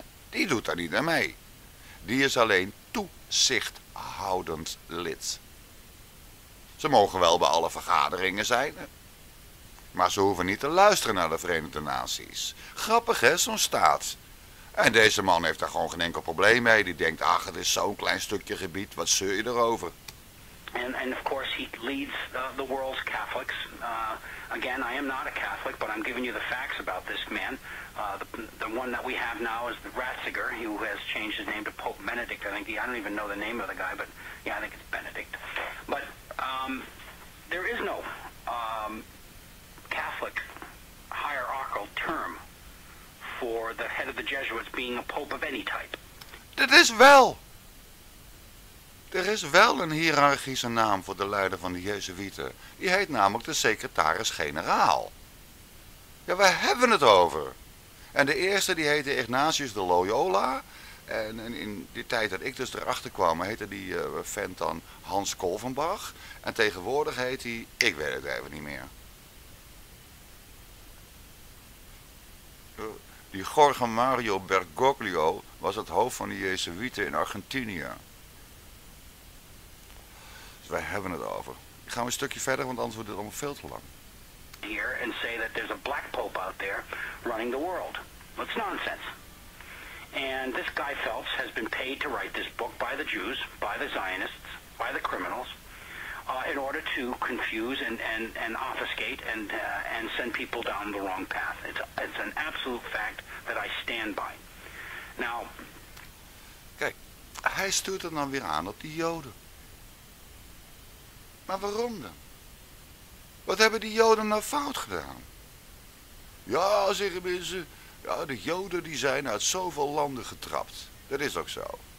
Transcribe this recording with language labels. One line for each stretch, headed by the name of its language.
Dutch: Die doet daar niet aan mee. Die is alleen toezichthoudend lid. Ze mogen wel bij alle vergaderingen zijn. Maar ze hoeven niet te luisteren naar de Verenigde Naties. Grappig, hè, zo'n staat. En deze man heeft daar gewoon geen enkel probleem mee. Die denkt, ach, het is zo'n klein stukje gebied, wat zeur je erover?
English: En of course he leads the world's Catholics. Again, I am not a Catholic, but I'm giving you the facts about this man. The one that we have now is Ratzinger, who has changed his name to Pope Benedict. I don't even know the name of the guy, but yeah, I think it's Benedict. But there is no Catholic hierarchical term for the head of the Jesuits being a pope of any type. That is well.
Dutch: Er is wel een hiërarchische naam voor de leider van de Jezuïeten. Die heet namelijk de secretaris-generaal. Ja, waar hebben we het over? En de eerste die heette Ignatius de Loyola. En in die tijd dat ik dus erachter kwam, heette die vent dan Hans Kolvenbach. En tegenwoordig heet hij, ik weet het even niet meer. Die Jorge Mario Bergoglio was het hoofd van de Jezuïeten in Argentinië. Wij hebben het over. Ik ga een stukje verder, want anders wordt het allemaal veel te lang.
English: Here and say that there's a black pope out there running the world. That's nonsense. And this guy Phelps has been paid to write this book by the Jews, by the Zionists, by the criminals, in order to confuse and obfuscate and send people down the wrong path. It's an absolute fact that I stand by. Now,
Dutch: kijk, hij stuurt het dan weer aan op die Joden. Maar waarom dan? Wat hebben die Joden nou fout gedaan? Ja, zeggen mensen, ja, de Joden die zijn uit zoveel landen getrapt. Dat is ook zo.